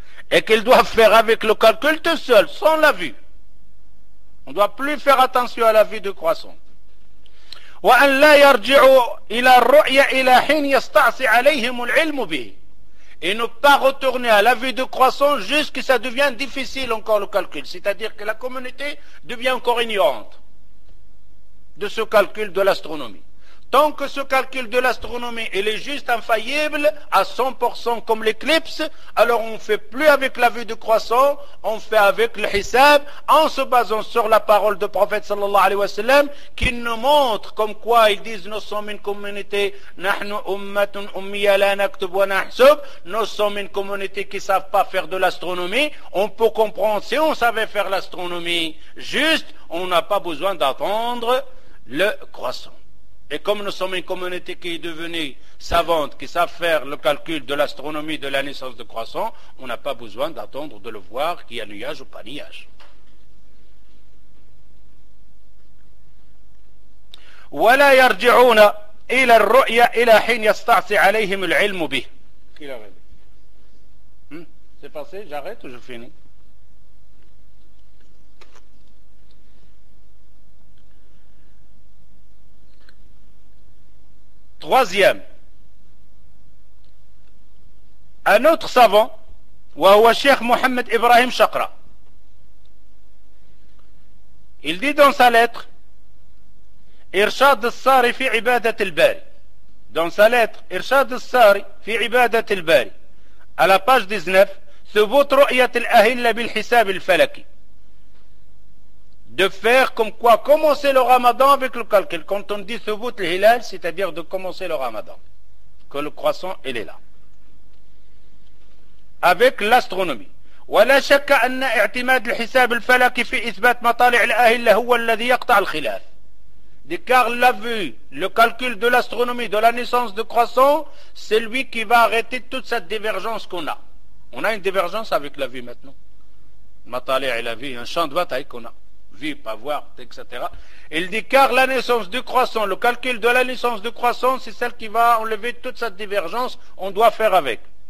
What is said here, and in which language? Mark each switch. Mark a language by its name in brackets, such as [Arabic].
[French] Et qu'ils doivent faire avec le calcul tout seul, sans la vue. On ne doit plus faire attention à la vue de croissant. [Arabic] وأن لا يرجعوا إلى الرؤية إلى حين يستعصي عليهم العلم به. [French] Et ne pas retourner à la vie de croissance jusqu'à ce que ça devienne difficile encore le calcul. C'est-à-dire que la communauté devient encore ignorante de ce calcul de l'astronomie. Tant que ce calcul de l'astronomie il est juste infaillible à 100% comme l'éclipse, alors on ne fait plus avec la vue de croissant, on fait avec le hisab, en se basant sur la parole du prophète sallallahu alayhi wa sallam, qui nous montre comme quoi ils disent nous sommes une communauté, [Arabic] nahnu ummatun ummiya la naktub wa nahsub, [French] nous sommes une communauté qui ne savent pas faire de l'astronomie. On peut comprendre, si on savait faire l'astronomie juste, on n'a pas besoin d'attendre le croissant. Et comme nous sommes une communauté qui est devenue savante, qui savent faire le calcul de l'astronomie de la naissance de croissant, on n'a pas besoin d'attendre de le voir qu'il y a nuage ou pas nuage. [Arabic] ولا يرجعون إلى الرؤيا إلى حين يستعصي عليهم العلم به. [French] C'est passé, j'arrête ou je finis? Troisième, un autre savant, وهو الشيخ محمد إبراهيم شقرة. Il dit dans sa lettre, إرشاد الصاري في عبادة الباري. Dans sa lettre, إرشاد الصاري في عبادة الباري. À la page 19, [Arabic] ثبوت رؤية الأهل بالحساب الفلكي. [French] De faire comme quoi commencer le ramadan avec le calcul. Quand on dit thubut l'hilal, c'est-à-dire de commencer le ramadan. Que le croissant, il est là. Avec l'astronomie. [Arabic] ولا شك أن اعتماد الحساب الفلكي في إثبات مطالع الأهل هو الذي يقطع الخلاف. [French] Car la vue, le calcul de l'astronomie, de la naissance du croissant, c'est lui qui va arrêter toute cette divergence qu'on a. On a une divergence avec la vue maintenant. مطالع la vue, un champ de bataille qu'on a. Vie, pas voir, etc. Il dit car la naissance du croissant, le calcul de la naissance du croissant, c'est celle qui va enlever toute cette divergence, on doit faire avec.